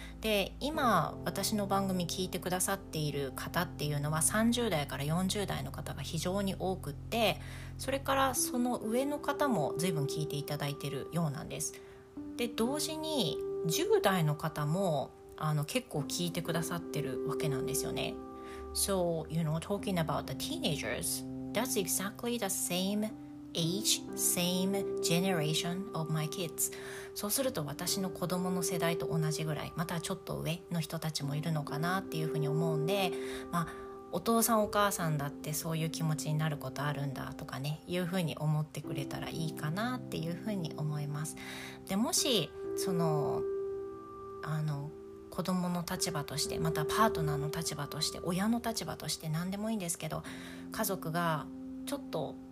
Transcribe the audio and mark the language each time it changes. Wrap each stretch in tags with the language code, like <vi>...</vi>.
<ja>で今私の番組聞いてくださっている方っていうのは30代から40代の方が非常に多くって、それからその上の方も随分聞いていただいてるようなんです。で同時に10代の方もあの結構聞いてくださってるわけなんですよね。</ja> <en>So, you know, talking about the teenagers, that's exactly the same age, same generation of my kids.</en> <ja>そうすると私の子供の世代と同じぐらい、またちょっと上の人たちもいるのかなっていうふうに思うんで、まあ、お父さんお母さんだってそういう気持ちになることあるんだとかね、いうふうに思ってくれたらいいかなっていうふうに思います。で、もしその、あの、子どもの立場として、またパートナーの立場として、親の立場として何でもいいんですけど、家族がちょっと</ja>